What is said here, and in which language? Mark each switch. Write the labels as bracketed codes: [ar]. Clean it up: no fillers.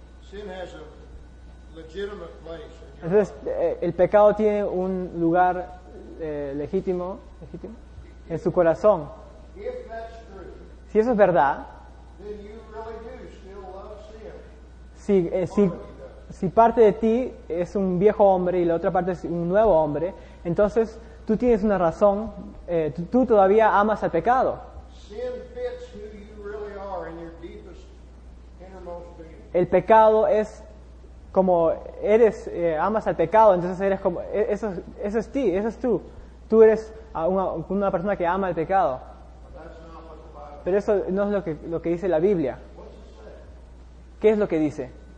[en] sin has a legitimate place in your life. [es] Entonces, el pecado tiene un lugar legítimo. En su corazón. [en] If that's true, [es] si eso es verdad, [en] then you really do still love sin. [es] Si parte de ti es un viejo hombre y la otra parte es un nuevo hombre, entonces tú tienes una razón, tú todavía amas al pecado. [en] Sin fits who you really are in your deepest, innermost being. [es] El pecado es como eres, amas al pecado, entonces eres como, eso es tú. Tú eres una persona que ama el pecado. Pero eso no es lo que dice la Biblia. ¿Qué es lo que dice?